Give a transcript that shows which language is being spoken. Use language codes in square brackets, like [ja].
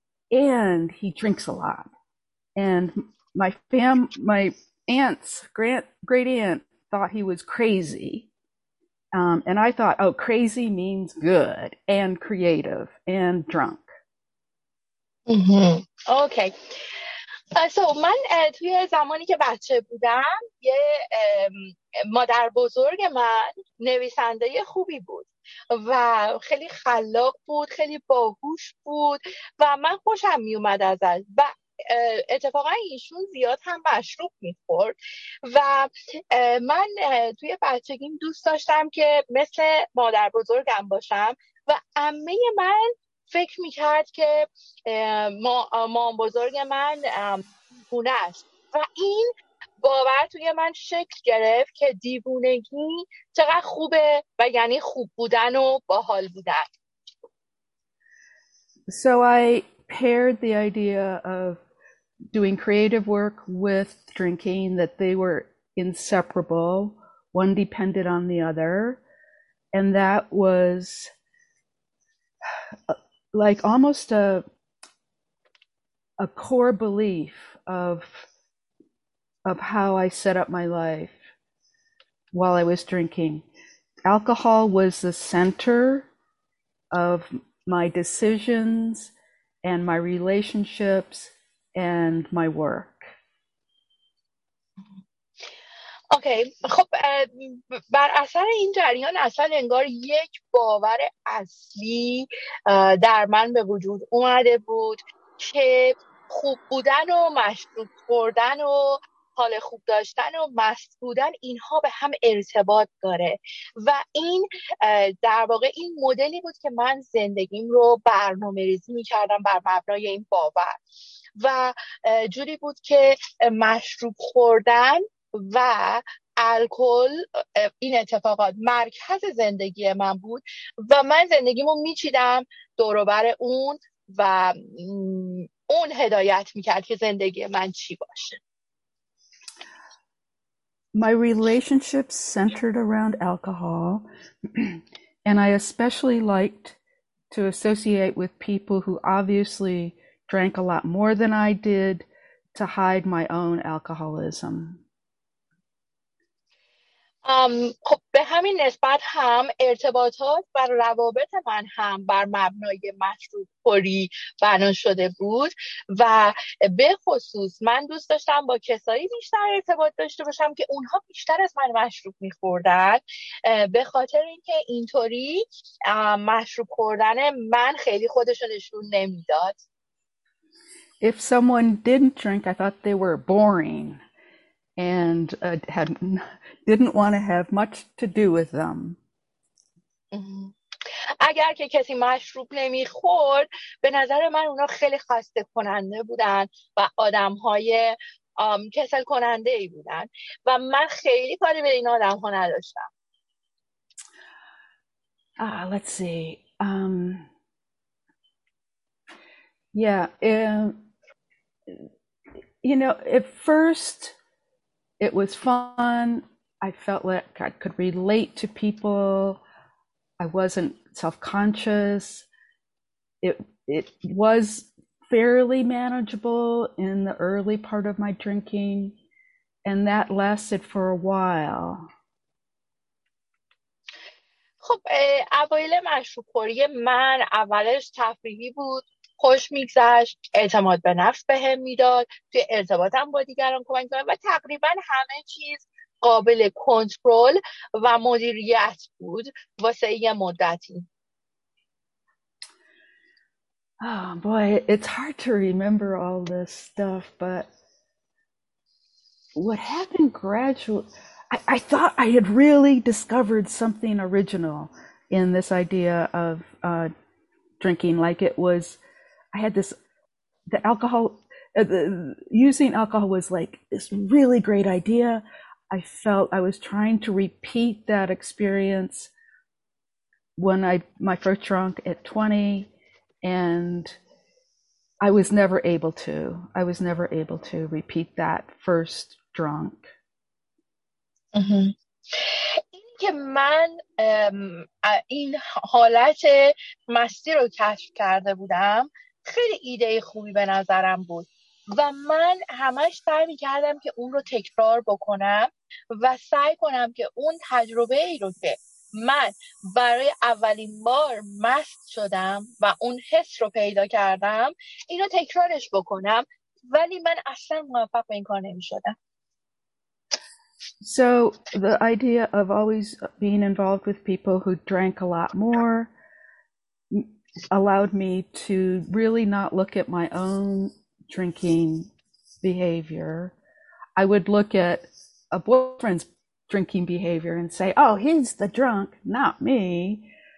[en] And he drinks a lot. And my aunt's great aunt thought he was crazy. And I thought, oh, crazy means good and creative and drunk. Mm-hmm. Okay. [fa] من توی زمانی که بچه بودم یه مادر بزرگ من نویسنده خوبی بود و خیلی خلاق بود، خیلی باهوش بود و من خوشم می اومد ازش و اتفاقا ایشون زیاد هم مشروب می‌خورد و من توی بچگیم دوست داشتم که مثل مادر بزرگم باشم و عمه من فکر میکرد که مام بزرگ من دیوونه است و این باور توی من شکل گرفت که دیوونگی چقدر خوبه و یعنی خوب بودن و باحال بودن. [en] So I paired the idea of doing creative work with drinking, that they were inseparable, one depended on the other, and that was like almost a core belief of how I set up my life while I was drinking. Alcohol was the center of my decisions and my relationships and my work. [fa] اوکی خب بر اثر این جریان اصلا انگار یک باور اصلی در من به وجود اومده بود که خوب بودن و مشروب خوردن و حال خوب داشتن و مست بودن اینها به هم ارتباط داره و این در واقع این مدلی بود که من زندگیم رو برنامه ریزی می کردم بر مبنای این باور و جوری بود که مشروب خوردن و الکل این اتفاقات مرکز زندگی من بود و من زندگیمو میچیدم دوروبر اون و اون هدایت میکرد که زندگی من چی باشه. [en] My relationships centered around alcohol, and I especially liked to associate with people who obviously drank a lot more than I did to hide my own alcoholism. [fa] خب به همین نسبت هم ارتباطات و روابط من هم بر مبنای مشروب خوری بنا شده بود و به خصوص من دوست داشتم با کسایی بیشتر ارتباط داشته باشم که اونها بیشتر از من مشروب می‌خوردن، به خاطر اینکه اینطوری مشروب خوردن من خیلی خودشو نشون نمیداد. [en] If someone didn't drink, I thought they were boring. And didn't want to have much to do with them. [fa] اگر که کسی مشروب نمی‌خورد، به نظر من اونا خیلی خسته کننده بودن و آدم‌های کسل کننده ای بودن و من خیلی کاری به این آدم‌ها نداشتم. [en] Let's see. At first it was fun. I felt like I could relate to people. I wasn't self-conscious. It was fairly manageable in the early part of my drinking, and that lasted for a while. [fa] خب اوایل مشروب خوری من اولش تفریحی بود، خوش میگذشت، اعتماد به نفس بهم میداد، توی ارتباطم با دیگران کمک کرد و تقریبا همه چیز قابل کنترل و مدیریت بود واسه یه مدتی. [en] Oh boy, it's hard to remember all this stuff, but what happened gradually, I thought I had really discovered something original in this idea of drinking, like it was I had this, the alcohol, using alcohol was like this really great idea. I felt I was trying to repeat that experience when I, my first drunk at 20, and I was never able to. I was never able to repeat that first drunk. Mm-hmm. [fa] که من این حالت مستی رو کشف کرده بودم خیلی ایده خوبی به نظرم بود و من همش سعی می کردم که اون رو تکرار بکنم و سعی کنم که اون تجربه ای رو که من برای اولین بار مست شدم و اون حس رو پیدا کردم این رو تکرارش بکنم، ولی من اصلا موفق به این کار نمی شدم. [en] So the idea of always being involved with people who drank a lot more allowed me to really not look at my own drinking behavior. I would look at a boyfriend's drinking behavior and say, oh, he's the drunk, not me.